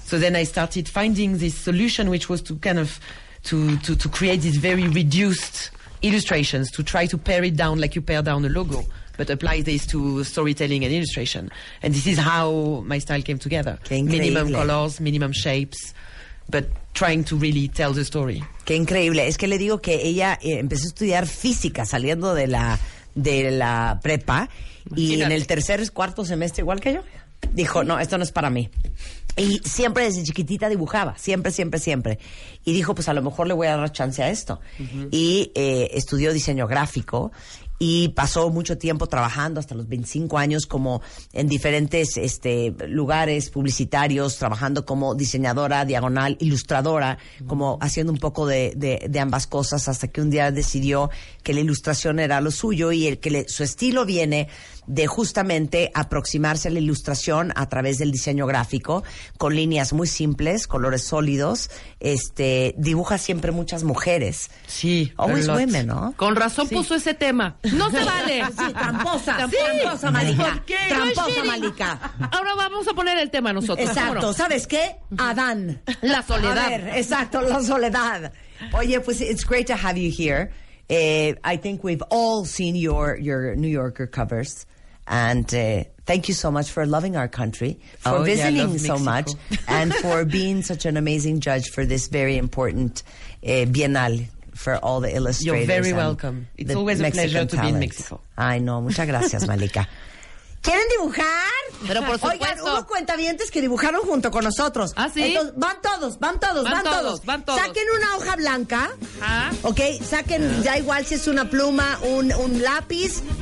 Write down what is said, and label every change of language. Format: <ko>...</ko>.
<en>So then I started finding this solution, which was to kind of to create these very reduced illustrations, to try to pare it down like you pare down a logo, but apply this to storytelling and illustration. And this is how my style came together.</en> <es>Qué increíble.</es> <en>Minimum colors, minimum shapes, but trying to really tell the story.</en> <es>Qué increíble. Es que le digo que ella empezó a estudiar física saliendo de la prepa. Y en el tercer cuarto semestre, igual que yo, dijo, no, esto no es para mí. Y siempre desde chiquitita dibujaba, siempre, siempre, siempre. Y dijo, pues a lo mejor le voy a dar chance a esto. Uh-huh. Y estudió diseño gráfico y pasó mucho tiempo trabajando, hasta los 25 años, como en diferentes lugares publicitarios, trabajando como diseñadora, diagonal, ilustradora, uh-huh. como haciendo un poco de ambas cosas, hasta que un día decidió que la ilustración era lo suyo y su estilo viene de justamente aproximarse a la ilustración a través del diseño gráfico, con líneas muy simples, colores sólidos. Dibuja siempre muchas mujeres. Sí.</es> <en>Always women,</en> <es>¿no? Con razón sí. puso ese tema. ¡No se vale! Sí, tramposa. Tramposa, sí. Tramposa, Malika. ¿Por qué? Tramposa, Malika. Ahora vamos a poner el tema nosotros. Exacto. Vámonos. ¿Sabes qué? Adán. La soledad. A ver, exacto, la soledad. Oye, pues</es> <en>it's great to have you here. I think we've all seen your New Yorker covers, and thank you so much for loving our country, for visiting yeah, so Mexico. Much, and for being such an amazing judge for this very important Biennale for all the illustrators. You're very welcome. It's always Mexican a pleasure talent. To be in Mexico.</en> <es>Ay, no, muchas gracias, Malika. ¿Quieren dibujar? Pero por supuesto. Oigan, hubo cuentavientes que dibujaron junto con nosotros. ¿Ah, sí? Entonces, van todos. Saquen una hoja blanca. Ajá. Ok, saquen, ya igual si es una pluma, un lápiz.</es>